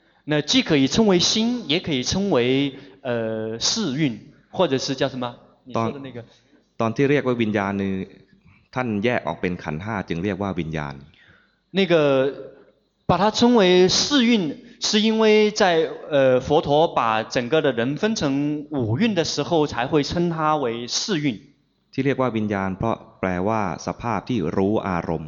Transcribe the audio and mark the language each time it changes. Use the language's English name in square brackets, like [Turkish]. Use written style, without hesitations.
[Chinese] 那既可以称为心也可以称为世运或者是叫什么你说的那个 [Thai] ตอนที่เรียกว่าวิญญาณท่านแยกออกเป็นขันธ์5จึงเรียกว่าวิญญาณ [Chinese] 那个把它称为四蕴是因为在佛陀把整个的人分成五蕴的时候才会称它为四蕴 [Thai] ที่เรียกว่าวิญญาณเพราะแปลว่าสภาพที่รู้อารมณ